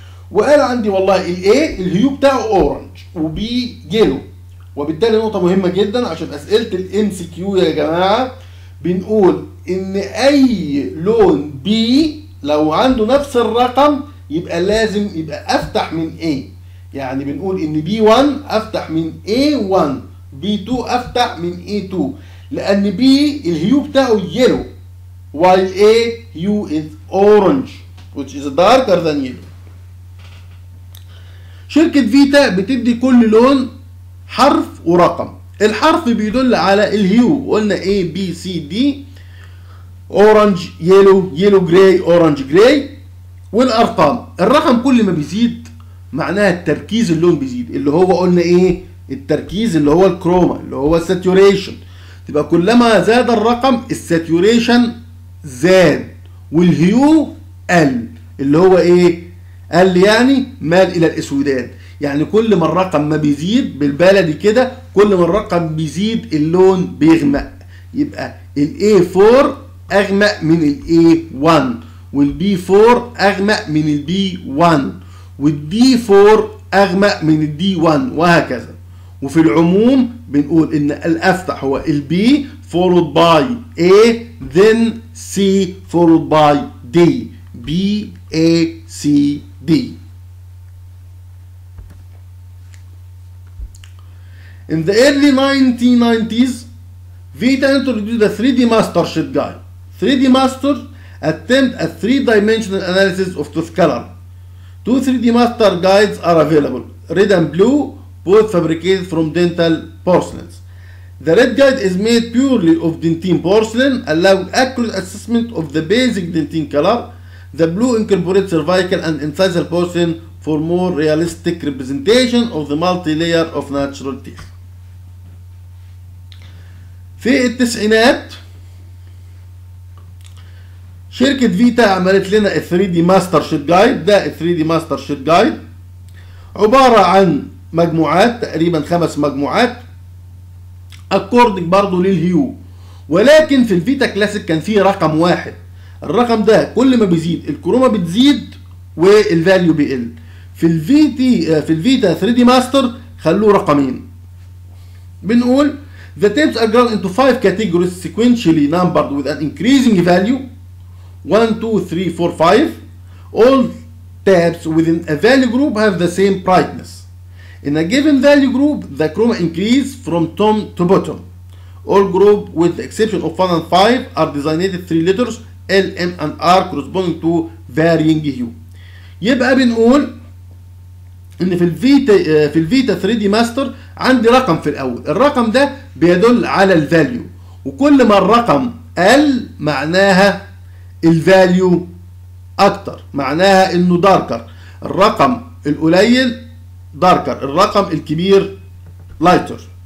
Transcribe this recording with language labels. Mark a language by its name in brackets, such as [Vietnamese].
[Arabic] وقال عندي والله الـ A الهيو بتاعه أورنج و B يلو. وبالتالي نقطة مهمة جدا عشان أسئلة الـ MCQ يا جماعة، بنقول إن أي لون B لو عنده نفس الرقم يبقى لازم يبقى افتح من A. يعني بنقول ان B1 افتح من A1، B2 افتح من A2، لان B الهيو بتاعه يلو while A هيو [English] is orange which is darker than yellow. [Arabic] شركة فيتا بتدي كل لون حرف ورقم. الحرف بيدل على الهيو، قلنا A B C D [English] orange yellow yellow gray orange gray. [Arabic] والارقام الرقم كل ما بيزيد معناها التركيز اللون بيزيد، اللي هو قلنا ايه التركيز اللي هو الكروما اللي هو الساتوريشن. تبقى كلما زاد الرقم الساتوريشن زاد والهيو قل اللي هو ايه قال لي يعني مال الى الاسودان، يعني كل ما الرقم ما بيزيد بالبلدي كده كل ما الرقم بيزيد اللون بيغمق، يبقى ال A4 اغمق من ال A1 وال B4 اغمق من ال B1 وال D4 اغمق من ال D1 وهكذا. وفي العموم بنقول ان الافتح هو ال B [English] followed by A then C followed by D [Arabic] B A C D. [English] In the early 1990s, Vita introduced a 3D master sheet guide. 3D master attempt a three-dimensional analysis of tooth color. Two 3D master guides are available, red and blue, both fabricated from dental porcelain. The red guide is made purely of dentine porcelain, allowing accurate assessment of the basic dentine color. The blue incorporates cervical and incisal porcelain for more realistic representation of the multi-layer of natural teeth. [Arabic] في التسعينات شركة فيتا عملت لنا 3D Master Sheet Guide. ده 3D Master Sheet Guide عبارة عن مجموعات، تقريبا خمس مجموعات according برضو للهيو، ولكن في الفيتا كلاسيك كان فيه رقم واحد، الرقم ده كل ما بيزيد الكروما بتزيد والفاليو بيقل. في الفيتي في الفيتا 3D Master خلوه رقمين. [English] بنقول The tapes are grouped into five categories sequentially numbered with an increasing value 1, 2, 3, 4, 5. All tabs within a value group have the same brightness. In a given value group, the chroma increase from top to bottom. All group with the exception of 1 and 5 are designated three letters L, M and R corresponding to varying hue. [Arabic] يبقى بنقول ان في الفيتا 3D Master عندي رقم في الاول، الرقم ده بيدل على الفاليو، وكل ما الرقم قل معناها الفاليو اكتر، معناها انه داركر، الرقم القليل داركر، الرقم الكبير لايتر.